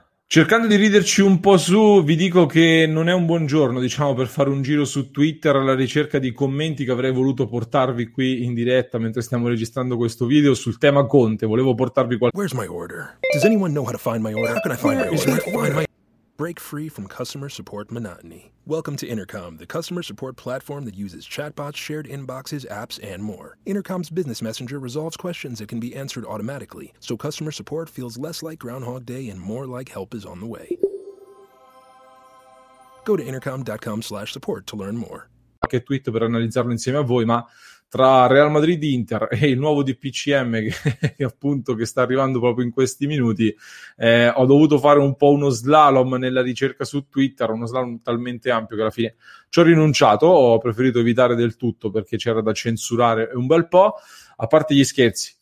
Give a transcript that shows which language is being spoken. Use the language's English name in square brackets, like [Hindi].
[Italian] Cercando di riderci un po' su, vi dico che non è un buon giorno, diciamo, per fare un giro su Twitter alla ricerca di commenti che avrei voluto portarvi qui in diretta mentre stiamo registrando questo video sul tema Conte. Volevo portarvi qualcosa. [English] Where's my order? Does anyone know how to find my order? How can I find my order? Find my... Break free from customer support monotony. Welcome to Intercom, the customer support platform that uses chatbots, shared inboxes, apps, and more. Intercom's business messenger resolves questions that can be answered automatically, so customer support feels less like Groundhog Day and more like help is on the way. Go to intercom.com/support to learn more. [Italian] Che tweet per analizzarlo insieme a voi, ma tra Real Madrid Inter e il nuovo DPCM che appunto che sta arrivando proprio in questi minuti, ho dovuto fare un po' uno slalom nella ricerca su Twitter, uno slalom talmente ampio che alla fine ci ho rinunciato, ho preferito evitare del tutto perché c'era da censurare un bel po', a parte gli scherzi.